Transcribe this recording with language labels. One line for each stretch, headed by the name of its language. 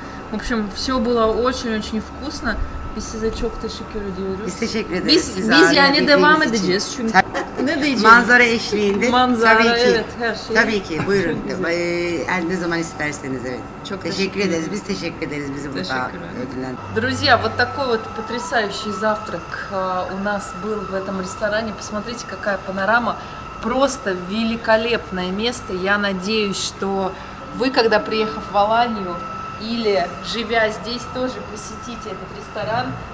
Russian: В общем, все было очень-очень вкусно.
Turkish: Biz size çok teşekkür ediyoruz. Biz teşekkür ederiz. Biz yani devam edeceğiz için. Çünkü. Ne diyeceğim? Manzara eşliğinde. Manzara, tabii ki. Evet, her şey. Tabii ki, buyurun. ne zaman isterseniz, evet. Çok teşekkür ederiz. Biz teşekkür ederiz bizi burada ödüllendirdiğiniz.
Russian: Друзья, вот такой вот потрясающий завтрак у нас был в этом ресторане. Посмотрите, какая панорама. Просто великолепное место. Я надеюсь, что вы, когда приехав в Аланию или живя здесь, тоже посетите этот ресторан.